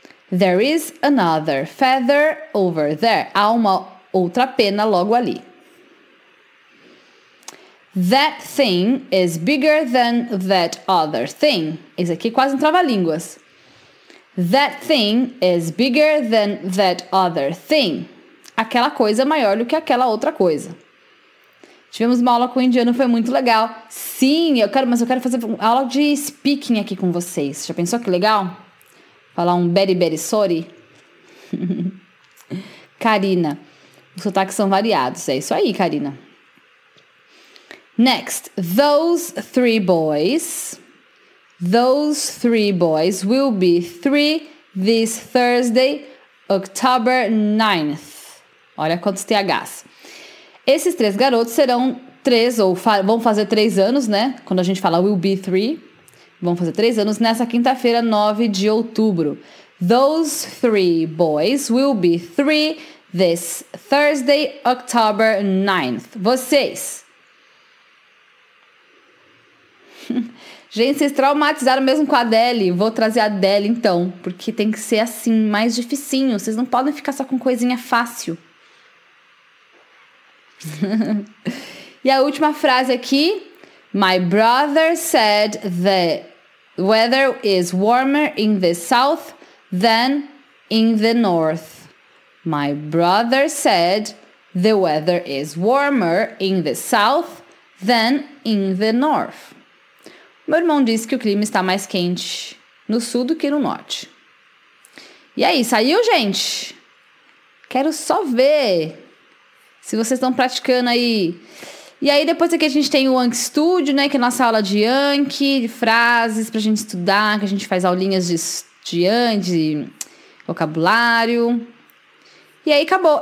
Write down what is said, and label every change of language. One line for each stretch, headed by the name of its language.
English: There is another feather over there.
Portuguese: Há uma outra pena logo ali.
English: That thing is bigger than that other thing.
Portuguese: Isso aqui quase um trava-línguas.
English: That thing is bigger than that other thing.
Portuguese: Aquela coisa é maior do que aquela outra coisa. Tivemos uma aula com o indiano, foi muito legal. Sim, eu quero fazer aula de speaking aqui com vocês. Já pensou que legal? Falar um beri beri sorry? Karina, os sotaques são variados. É isso aí, Karina.
English: Next, those three boys will be three this Thursday, October 9th.
Portuguese: Olha quantos THs. Esses três garotos serão três, ou vão fazer três anos, né? Quando a gente fala
English: will be three,
Portuguese: vão fazer três anos nessa quinta-feira, 9 de outubro.
English: Those three boys will be three this Thursday, October 9th.
Portuguese: Vocês. Gente, vocês traumatizaram mesmo com a Adele. Vou trazer a Adele, então. Porque tem que ser assim, mais dificinho. Vocês não podem ficar só com coisinha fácil. E a última frase aqui.
English: My brother said the weather is warmer in the south than in the north. My brother said the weather is warmer in the south than in the north.
Portuguese: Meu irmão disse que o clima está mais quente no sul do que no norte. E aí, saiu, gente? Quero só ver se vocês estão praticando aí. E aí, depois aqui a gente tem o Yankee Studio, né? Que é a nossa aula de Yankee, de frases pra gente estudar, que a gente faz aulinhas de vocabulário. E aí, acabou.